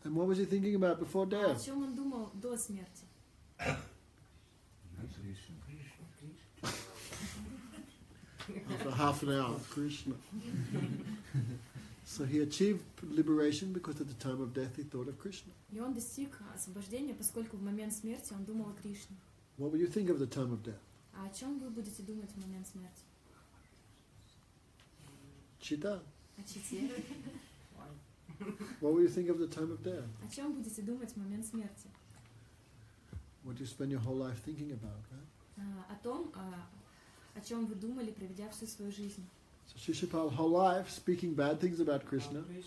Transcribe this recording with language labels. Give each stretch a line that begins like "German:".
English: And what was he thinking about before death?
Russian: О чем он думал до смерти?
English: After half an hour, Krishna. So he achieved liberation because at the time of death he thought of Krishna.
Russian: И он достиг освобождения, поскольку в момент смерти он думал о Кришне.
English: What would you think of the time of death?
Russian: А о чем вы будете думать в момент смерти? Чита? О чите?
English: What will you think of the time of death?
Russian: О чем будете думать в момент смерти?
English: What you spend your whole life thinking about, right?
Russian: О том, о чем вы думали, проведя всю свою жизнь.
English: So Shishupal whole life speaking bad things about Krishna.